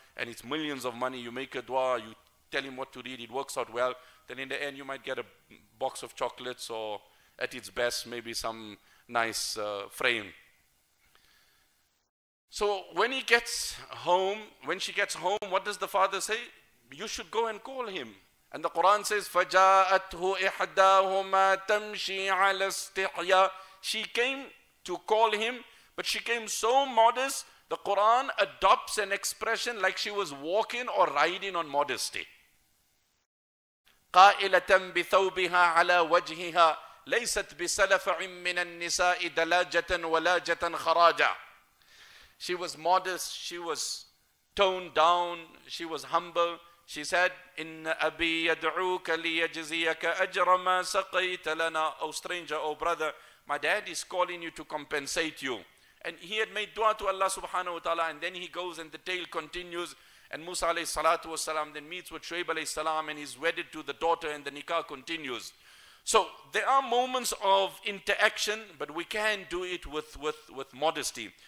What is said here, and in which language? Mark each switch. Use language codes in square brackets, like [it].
[en] And it's millions of money. You make a dua. You tell him what to read. It works out well. Then in the end, you might get a box of chocolates or at its best, maybe some nice frame. So when he gets home, when she gets home, what does the father say? You should go and call him. And the Quran says, [ar] فَجَاءَتْهُ إِحْدَاهُمَا تَمْشِي عَلَى اسْتِحْيَا. [en] She came to call him, but she came so modest, the Quran adopts an expression like she was walking or riding on modesty. [ar] قَائِلَةً بِثَوْبِهَا عَلَى وَجْهِهَا لَيْسَتْ بِسَلَفَعٍ مِّنَ النِّسَاءِ دَلَاجَةً وَلَاجَةً خَرَاجًا. [en] She was modest, she was toned down, she was humble. She said, [ar] إِنَّ أَبِي يَدْعُوكَ لِيَجْزِيَكَ أَجْرَ مَا سَقَيْتَ لَنَا. [en] Oh stranger, oh brother, my dad is calling you to compensate you. And he had made dua to Allah subhanahu wa ta'ala, and then he goes and the tale continues. And Musa alayhi salatu wa salam then meets with Shuaib alayhi salam and he's wedded to the daughter and the nikah continues. So there are moments of interaction, but we can do it with modesty.